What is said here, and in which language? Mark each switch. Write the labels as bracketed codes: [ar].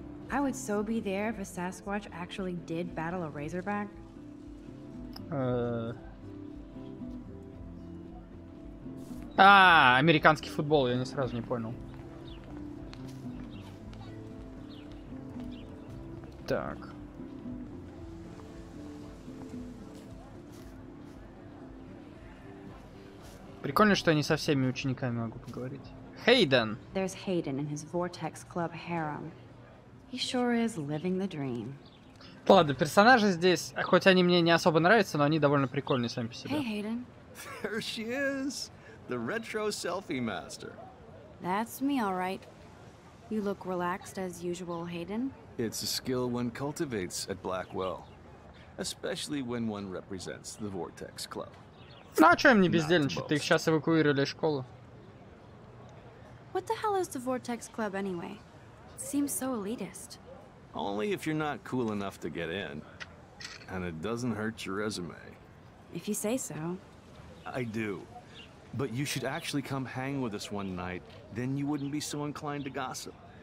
[en] I would so be there if a Sasquatch actually did battle a Razorback. [ru] Американский футбол, я не сразу не понял. Так. Прикольно, что я не со всеми учениками могу поговорить. Хейден! [en] There's Hayden in his Vortex Club harem. He sure is living the dream. [ru] Ладно, персонажи здесь, хоть они мне не особо нравятся, но они довольно прикольные сами по себе. [en] Hey, Hayden. There she is, the retro selfie master. That's me, all right. You look relaxed as usual, Hayden. It's a skill one cultivates at Blackwell. Especially when one represents the Vortex Club. [ru] Ну а чё им не бездельничать? Ты их сейчас эвакуировали из школы. [en] What the hell is the Vortex Club anyway? It seems so elitist. Only if you're not cool enough to get in. And it doesn't hurt your resume. If you say so. I do. But you should actually come hang with us one night. Then you wouldn't be so inclined to gossip.